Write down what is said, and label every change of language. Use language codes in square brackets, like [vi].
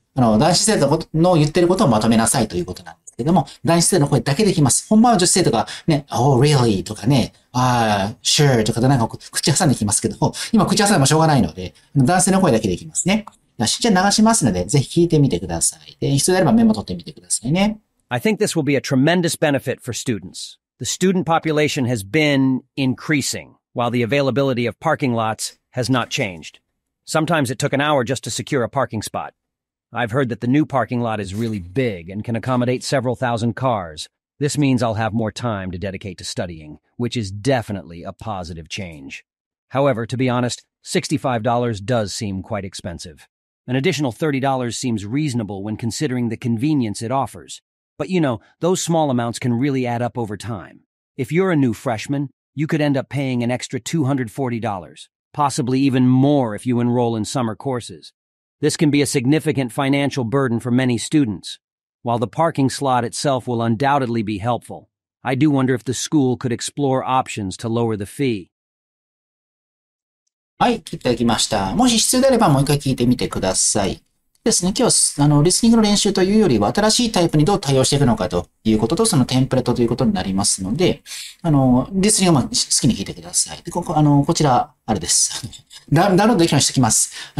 [ja] 男子生徒の言ってることをまとめなさいということなんですけども、男子生徒の声だけできます。本番は女子生徒がね、 [en] oh, really? [ja] とかね、sure? とかでなんか口挟んできますけど、今口挟んでもしょうがないので、男性の声だけできますね。じゃあ流しますので、ぜひ聞いてみてください。で、必要であればメモ取ってみてくださいね。 [en] I think this will be a tremendous benefit for students. The student population has been increasing, while the availability of parking lots has not changed. Sometimes it took an hour just to secure a parking spot. I've heard that the new parking lot is really big and can accommodate several thousand cars. This means I'll have more time to dedicate to studying, which is definitely a positive change. However, to be honest, $65 does seem quite expensive. An additional $30 seems reasonable when considering the convenience it offers. But you know, those small amounts can really add up over time. If you're a new freshman, you could end up paying an extra $240, possibly even more if you enroll in summer courses. This can be a significant financial burden for many students. While the parking slot itself will undoubtedly be helpful, I do wonder if the school could explore options to lower the fee. [ja] はい、聞いていただきました。もし必要であればもう一回聞いてみてください。ですね、今日はリスニングの練習というよりは、新しいタイプにどう対応していくのかということと、そのテンプレートということになりますので、リスニングも好きに聞いてください。で、こちら、あれです。ダウンロードできるようにしておきます。